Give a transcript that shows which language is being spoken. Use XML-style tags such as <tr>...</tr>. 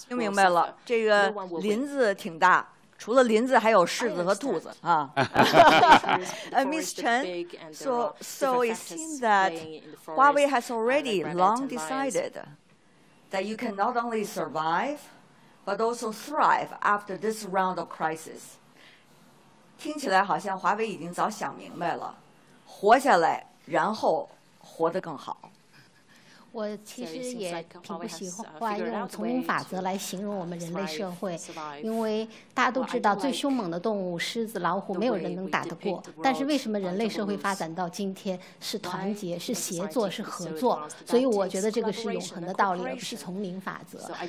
<zh>听明白了，这个林子挺大，除了林子还有狮子和兔子啊。</zh> <en>Ms. Chen, so it seems that Huawei has already long decided that you can not only survive, but also thrive after this round of crisis.</en> <zh>听起来好像华为已经早想明白了。活下来，然后活得更好。我其实也挺不喜欢用丛林法则来形容我们人类社会，因为大家都知道最凶猛的动物狮子老虎没有人能打得过，但是为什么人类社会发展到今天是团结，是协作，是合作，所以我觉得这个是永恒的道理，而不是丛林法则。</zh>